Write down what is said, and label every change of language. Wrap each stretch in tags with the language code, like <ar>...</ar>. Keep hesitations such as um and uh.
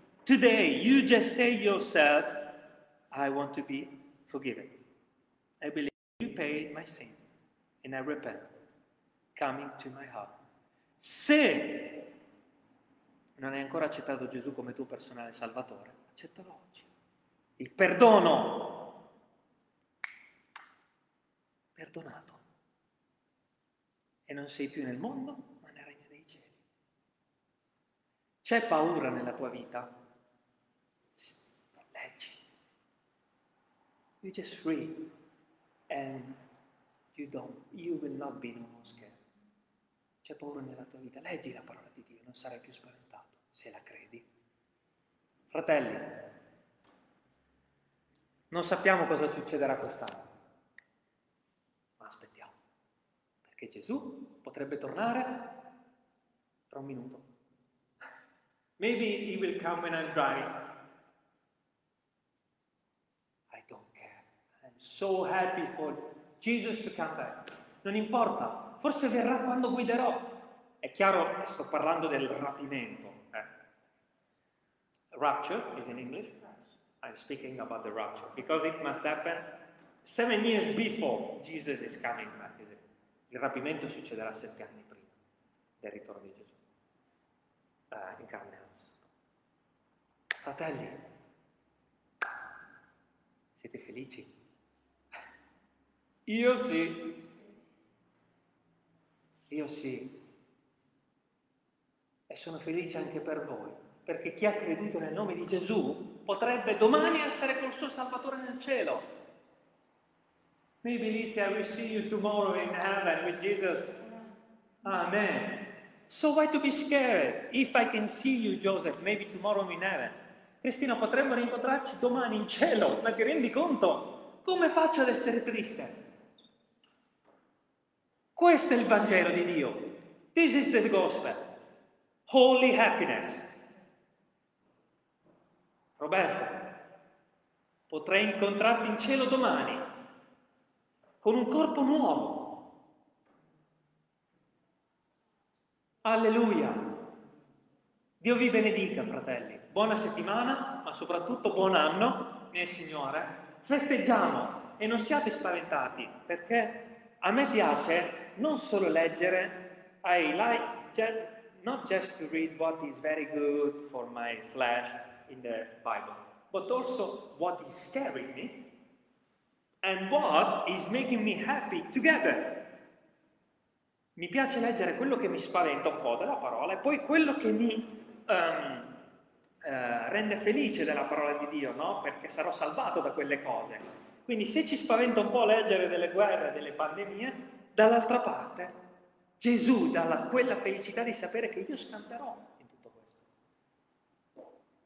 <en>Today, you just say yourself, I want to be forgiven. I believe you paid my sin and I repent, coming to my heart.</en> <it>Se non hai ancora accettato Gesù come tuo personale salvatore, accettalo oggi. Il perdono, perdonato. E non sei più nel mondo, ma nel regno dei cieli. C'è paura nella tua vita? S- Leggi.</it> <en>You're just free and you don't, you will not be no more scared.</en> <it>C'è paura nella tua vita, leggi la parola di Dio, non sarai più spaventato se la credi. Fratelli, non sappiamo cosa succederà quest'anno, ma aspettiamo, perché Gesù potrebbe tornare tra un minuto.</it> <en>Maybe he will come when I'm driving. I don't care. I'm so happy for Jesus to come back.</en> <it>Non importa, forse verrà quando guiderò. È chiaro, sto parlando del rapimento.</it> <en>eh. Rapture is in English. I'm speaking about the rapture because it must happen seven years before Jesus is coming back. is it?</en> <it>Il rapimento succederà sette anni prima del ritorno di Gesù eh, in carne e ossa. Fratelli, siete felici? Io sì. Io sì. E sono felice anche per voi, perché chi ha creduto nel nome di Gesù potrebbe domani essere col suo Salvatore nel cielo.</it> <en>Maybe Lizzie, I will see you tomorrow in heaven with Jesus. Amen. So why to be scared? If I can see you, Joseph, maybe tomorrow in heaven.</en> <it>Cristina, potremmo rincontrarci domani in cielo, ma ti rendi conto? Come faccio ad essere triste? Questo è il Vangelo di Dio.</it> <en>This is the gospel. Holy happiness.</en> <it>Roberto, potrei incontrarti in cielo domani con un corpo nuovo. Alleluia! Dio vi benedica, fratelli. Buona settimana, ma soprattutto buon anno nel Signore. Festeggiamo e non siate spaventati, perché a me piace non solo leggere,</it> <en>I like ju- not just to read what is very good for my flesh in the Bible, but also what is scaring me and what is making me happy together.</en> <it>Mi piace leggere quello che mi spaventa un po' della parola e poi quello che mi ehm, eh, rende felice della parola di Dio, no? Perché sarò salvato da quelle cose. Quindi se ci spaventa un po' leggere delle guerre, delle pandemie, dall'altra parte Gesù dà la- quella felicità di sapere che io scanterò in tutto questo.</it>